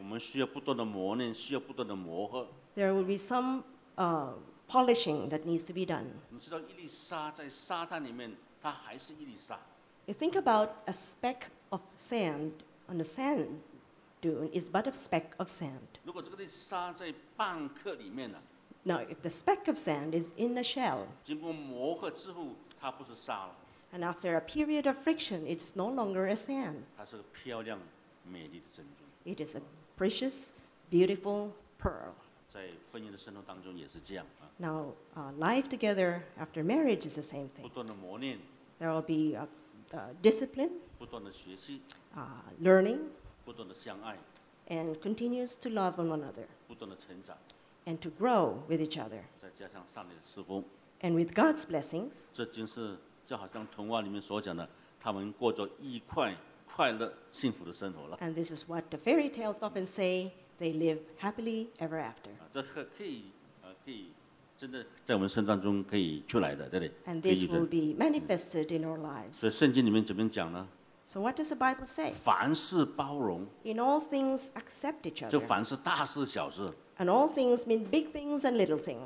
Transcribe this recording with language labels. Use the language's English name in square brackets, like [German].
[Chinese] 我们需要不断的磨练需要不断的磨合 [English] there will be some polishing that needs to be done. [Chinese] 你知道伊丽莎在沙滩里面，她还是伊丽莎。 [English] You think about a speck of sand on the sand dune is but a speck of sand. [Chinese] 如果这个沙在蚌壳里面呢 [English] ？No, if the speck of sand is in the shell. [Chinese] 经过磨合之后，它不是沙了。 [English] And after a period of friction, it's no longer a sand. [Chinese] 它是个漂亮、美丽的珍珠。 [English] It is a precious, beautiful pearl. [Chinese] 在婚姻的生活当中也是这样。 [English] Now, life together after marriage is the same thing. [Chinese] 不断的磨练 [English] There will be discipline. [Chinese] 不断的学习 [English] learning. [Chinese] 不断的相爱 [English] And continues to love one another. [Chinese] 不断的成长 [English] And to grow with each other. [Chinese] 再加上上帝的赐福 [English] And with God's blessings, [Chinese] 这就是就好像童话里面所讲的，他们过着愉快、快乐、幸福的生活了。 [English] And this is what the fairy tales often say: they live happily ever after. [Chinese] 啊，这可以真的在我们生命中可以出来的，对不对 [English] ？And this will be manifested in our lives. [Chinese] 所以圣经里面怎么讲呢？ [English] So what does the Bible say? [Chinese] 凡事包容。 [English] In all things, accept each other. [Chinese] 就凡事大事小事。 [English] And all things mean big things and little things.